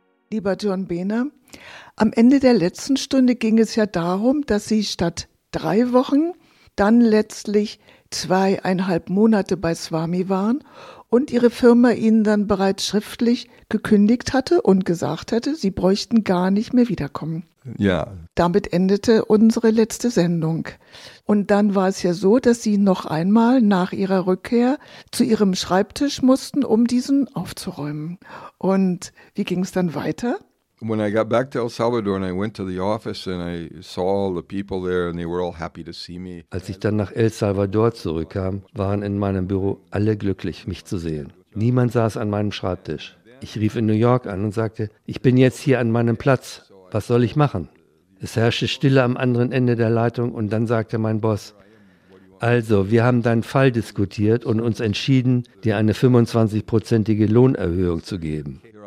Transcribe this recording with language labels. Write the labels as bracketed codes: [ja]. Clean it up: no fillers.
[de] Lieber John Behner, am Ende der letzten Stunde ging es ja darum, dass Sie statt 3 Wochen dann letztlich 2,5 Monate bei Swami waren und Ihre Firma Ihnen dann bereits schriftlich gekündigt hatte und gesagt hatte, Sie bräuchten gar nicht mehr wiederkommen. Ja. Damit endete unsere letzte Sendung. Und dann war es ja so, dass Sie noch einmal nach Ihrer Rückkehr zu Ihrem Schreibtisch mussten, um diesen aufzuräumen. Und wie ging es dann weiter? [en] When I got back to El Salvador and I went to the office and I saw all the people there and they were all happy to see me. [de] Als ich dann nach El Salvador zurückkam, waren in meinem Büro alle glücklich, mich zu sehen. Niemand saß an meinem Schreibtisch. Ich rief in New York an und sagte, ich bin jetzt hier an meinem Platz. Was soll ich machen? Es herrschte Stille am anderen Ende der Leitung und dann sagte mein Boss, also, wir haben deinen Fall diskutiert und uns entschieden, dir eine 25-prozentige Lohnerhöhung zu geben.